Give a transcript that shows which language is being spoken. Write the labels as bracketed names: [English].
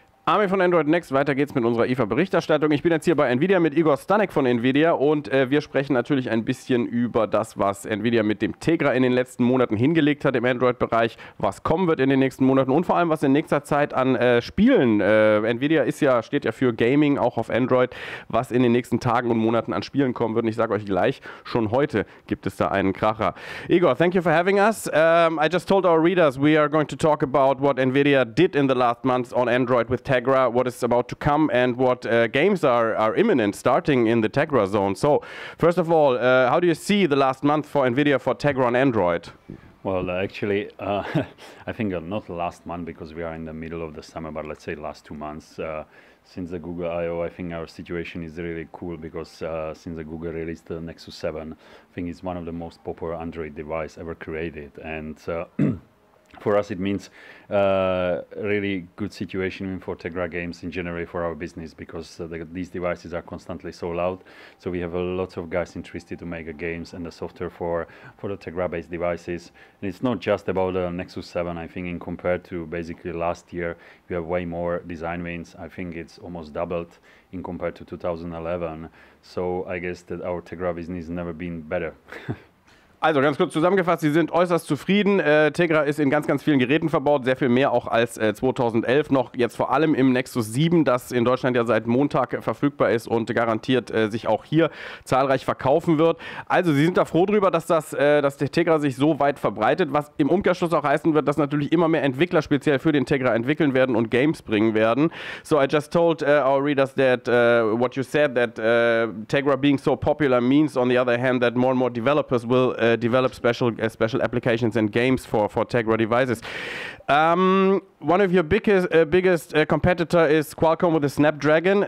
[German] Ami von Android Next, weiter geht's mit unserer IFA-Berichterstattung. Ich bin jetzt hier bei Nvidia mit Igor Stanek von Nvidia und wir sprechen natürlich ein bisschen über das, was Nvidia mit dem Tegra in den letzten Monaten hingelegt hat im Android-Bereich, was kommen wird in den nächsten Monaten und vor allem, was in nächster Zeit an Spielen, Nvidia ist ja, steht ja für Gaming auch auf Android, was in den nächsten Tagen und Monaten an Spielen kommen wird. Und ich sage euch gleich, schon heute gibt es da einen Kracher. [English] Igor, thank you for having us. I just told our readers we are going to talk about what Nvidia did in the last months on Android with Tegra, what is about to come and what games are imminent starting in the Tegra zone. So, first of all, how do you see the last month for Nvidia for Tegra on Android? Well, actually, I think not last month because we are in the middle of the summer, but let's say last 2 months. Since the Google I/O, I think our situation is really cool because since the Google released the Nexus 7, I think it's one of the most popular Android device ever created. And for us, it means a really good situation for Tegra games in general for our business because these devices are constantly sold out. So we have a lot of guys interested to make games and the software for the Tegra-based devices. And it's not just about the Nexus 7. I think in compared to basically last year, we have way more design wins. I think it's almost doubled in compared to 2011. So I guess that our Tegra business has never been better. [German] Also ganz kurz zusammengefasst, Sie sind äußerst zufrieden. Tegra ist in ganz, ganz vielen Geräten verbaut, sehr viel mehr auch als 2011 noch, jetzt vor allem im Nexus 7, das in Deutschland ja seit Montag verfügbar ist und garantiert sich auch hier zahlreich verkaufen wird. Also Sie sind da froh drüber, dass dass der Tegra sich so weit verbreitet, was im Umkehrschluss auch heißen wird, dass natürlich immer mehr Entwickler speziell für den Tegra entwickeln werden und Games bringen werden. [English] So I just told our readers that what you said, that Tegra being so popular means on the other hand that more and more developers will develop special applications and games for Tegra devices. One of your biggest competitor is Qualcomm with the Snapdragon.